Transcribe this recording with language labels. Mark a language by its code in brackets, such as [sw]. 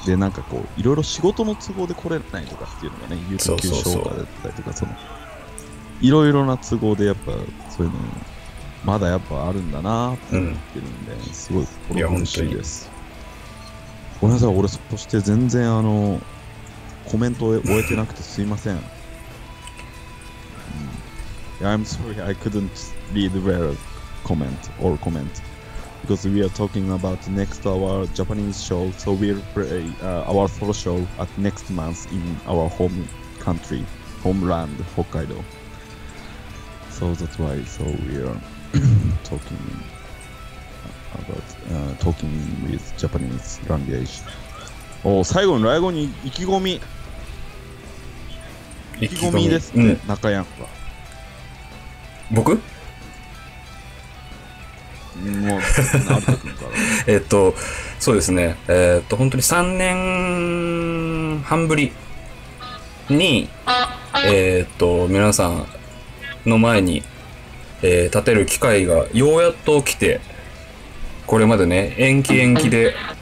[ja] でなんかこういろいろ仕事の都合で来れないとかっていうのがね、有給消化だったりとか、そのいろいろな都合でやっぱそういうのまだやっぱあるんだなって思ってるんで、すごい心苦しいです。ごめんなさい、俺そして全然コメントを終えてなくてすいません。 [en] I'm sorry, I couldn't read well comment or comment because we are talking about next our Japanese show, so we'll play our solo show at next month in our home country, homeland, Hokkaido. So that's why, so we are talking with Japanese language. [ja] Oh, 最後のライゴに意気込みですね、中山は。僕？もう、そうですね、本当に3年半ぶりに、皆さんの前に、立てる機会がようやっと来て、これまでね、延期で、